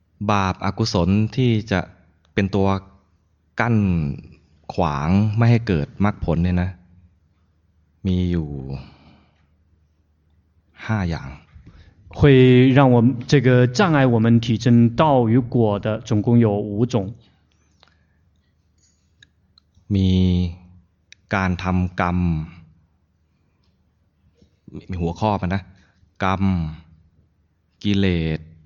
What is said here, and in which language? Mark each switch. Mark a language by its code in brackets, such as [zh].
[th] บาปอกุศลที่จะเป็นตัวกั้นขวางไม่ให้เกิดมรรคผลเนี่ยนะมีอยู่5อย่าง [zh] 会让我们这个障碍我们提升道与果的总共有5种 [th] มีการทำกรรมมีหัวข้อมันนะกรรมกิเลส